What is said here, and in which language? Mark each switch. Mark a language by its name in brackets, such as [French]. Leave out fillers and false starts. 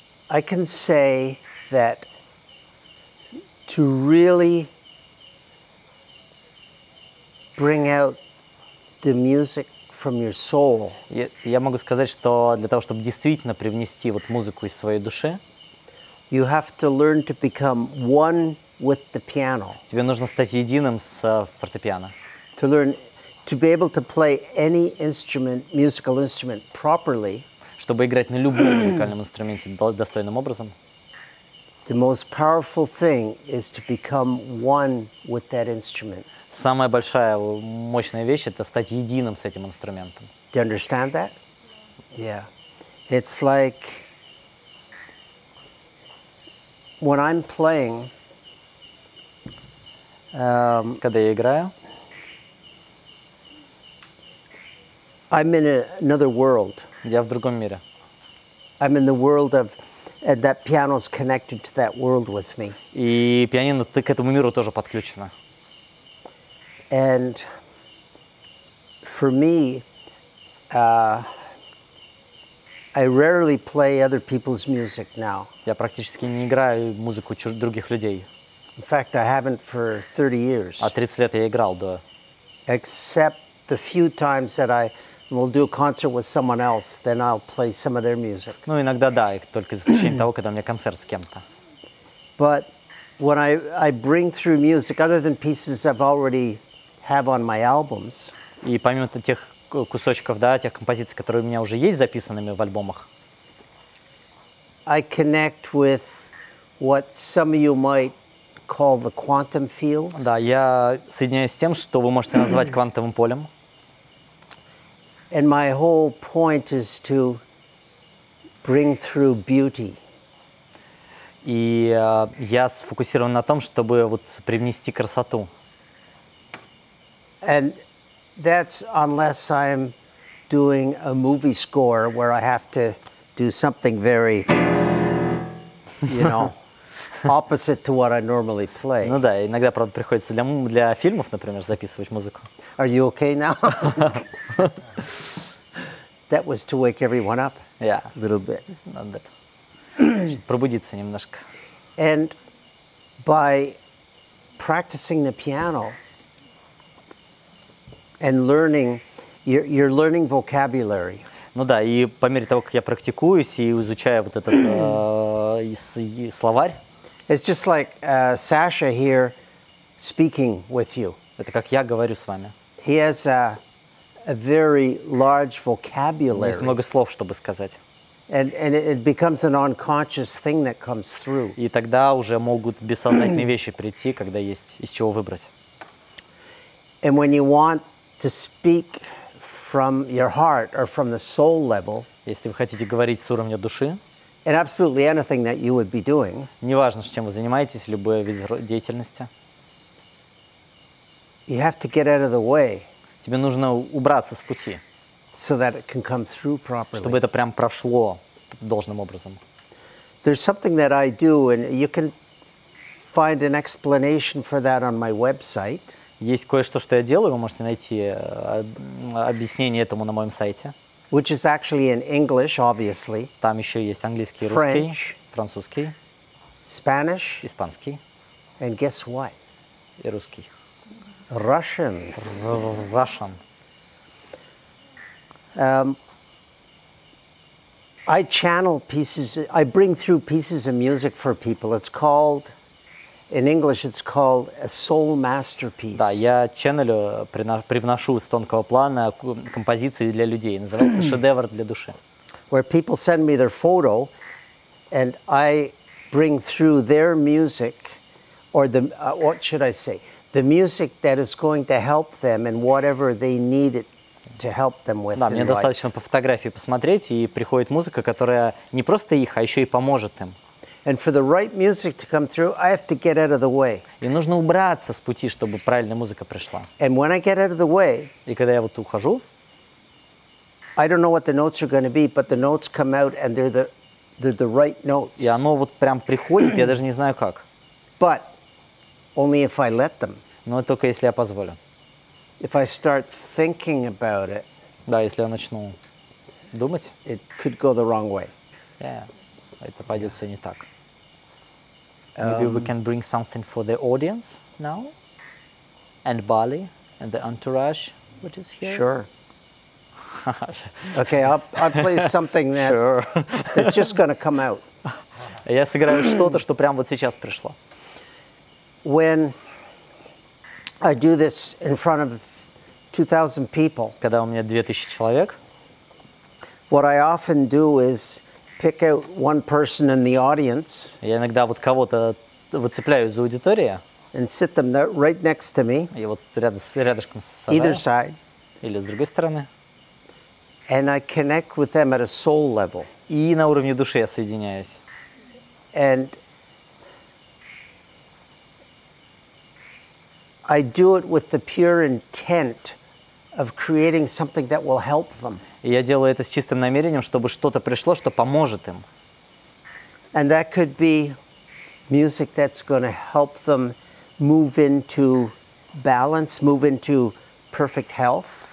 [English] I can say that to really bring out the music from your soul. [Russian] Я могу сказать, что для того, чтобы действительно привнести вот музыку из своей души, [English] you have to learn to become one with the piano. [Russian] Тебе нужно стать единым с фортепиано. [English] To learn to be able to play any instrument, musical instrument properly. [Russian] Чтобы играть на любом музыкальном инструменте достойным образом. [English] The most powerful thing is to become one with that instrument. [Russian] Самая большая мощная вещь — это стать единым с этим инструментом. [English] Do you understand that? Yeah. It's like when I'm playing, [Russian] когда я играю, [English] I'm in another world. [Russian] Я в другом мире. [English] I'm in the world of, and that piano's connected to that world with me. [Russian] И пианино, ты к этому миру тоже подключена. [English] And for me, I rarely play other people's music now. [Russian] Я практически не играю музыку других людей. [English] In fact, I haven't for 30 years. [Russian] А 30 лет я играл до. [English] Except the few times that I will do a concert with someone else, then I'll play some of their music. [Russian] Ну иногда да, только за исключением того, когда у меня концерт с кем-то. [English] But when I bring through music other than pieces I've already have on my albums. [Russian] И помимо тех кусочков, да, тех композиций, которые у меня уже есть записанными в альбомах. [English] I connect with what some of you might call the quantum field. [Russian] Да, я соединяюсь с тем, что вы можете назвать квантовым полем. [English] And my whole point is to bring through beauty. [Russian] И я сфокусирован на том, чтобы вот привнести красоту. [English] And that's unless I'm doing a movie score where I have to do something very, you know, opposite to what I normally play. [Russian] Ну да, иногда, правда, приходится для фильмов, например, записывать музыку. [English] Are you okay now? That was to wake everyone up. Yeah. A little bit. It's not that. [Russian] Пробудиться немножко. [English] And by practicing the piano and learning, you're learning vocabulary. [Russian] Ну да, и по мере того, как я практикуюсь и изучаю вот этот словарь. [English] It's just like Sasha here speaking with you. [Russian] Это как я говорю с вами. [English] He has a very large vocabulary. [Russian] Есть много слов, чтобы сказать. [English] And it becomes an unconscious thing that comes through. [Russian] И тогда уже могут бессознательные вещи прийти, когда есть из чего выбрать. [English] And when you want to speak from your heart or from the soul level, [Russian] если вы хотите говорить с уровня души, [English] and absolutely anything that you would be doing, [Russian] неважно, чем вы занимаетесь, любой вид деятельности, [English] you have to get out of the way, [Russian] тебе нужно убраться с пути, [English] so that it can come through properly, [Russian] чтобы это прям прошло должным образом. [English] There's something that I do, and you can find an explanation for that on my website. [Russian] Есть кое-что, что я делаю, вы можете найти объяснение этому на моем сайте. [English] Which is actually in English, obviously. [Russian] Там еще есть английский, [English] French, [Russian] русский, французский, [English] Spanish, [Russian] испанский. [English] And guess what? [Russian] И русский. [English] Russian. Russian. I channel pieces, I bring through pieces of music for people. It's called, in English, it's called a soul masterpiece. [Russian] Да, я ченнелю, привношу с тонкого плана композиции для людей. Называется шедевр для души. [English] Where people send me their photo, and I bring through their music, or the, what should I say, the music that is going to help them in whatever they need it to help them with. [Russian] Да, мне достаточно по фотографии посмотреть, и приходит музыка, которая не просто их, а еще и поможет им. [English] And for the right music to come through, I have to get out of the way. [Russian] И нужно убраться с пути, чтобы правильная музыка пришла. [English] And when I get out of the way, [Russian] и когда я вот ухожу, [English] I don't know what the notes are going to be, but the notes come out and they're the right notes. [Russian] И оно вот прям приходит, я даже не знаю как. [English] But only if I let them. [Russian] Но только если я позволю. [English] If I start thinking about it. [Russian] Да, если я начну думать. [English] It could go the wrong way. [Russian] Yeah. Это пойдет все не так. [English] Maybe we can bring something for the audience now. And Bali and the entourage which is here. Sure. Okay, I'll play something that sure. that's just gonna come out. [Russian] Я сыграю что-то, что прямо вот сейчас пришло. [English] When I do this in front of 2,000 people. [Russian] Когда у меня 2,000 человек. [English] What I often do is pick out one person in the audience. [Russian] Я иногда вот кого-то выцепляю из аудитории. [English] And sit them right next to me. [Russian] И вот рядышком с собой. [English] Either side. [Russian] Или с другой стороны. [English] And I connect with them at a soul level. [Russian] И на уровне души я соединяюсь. [English] And I do it with the pure intent of creating something that will help them. [Russian] И я делаю это с чистым намерением, чтобы что-то пришло, что поможет им. [English] And that could be music that's going to help them move into balance, move into perfect health.